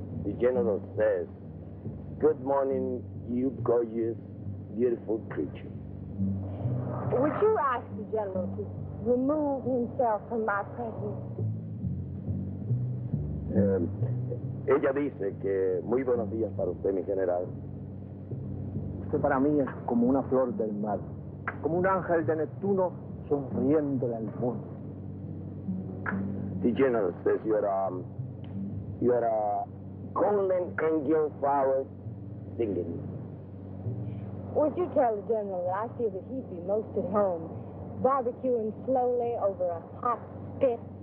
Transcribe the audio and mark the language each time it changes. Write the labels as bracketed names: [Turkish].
[English] The general says, good morning, you gorgeous, beautiful creature. Would you ask the general to remove himself from my presence? [Spanish] Ella dice que muy buenos días para usted, mi general. Usted para mí es como una flor del mar, como un ángel de Neptuno sonriéndole al mundo. [English] The general says you are a golden angel flower singing. Would you tell the general that I feel that he'd be most at home barbecuing slowly over a hot spit?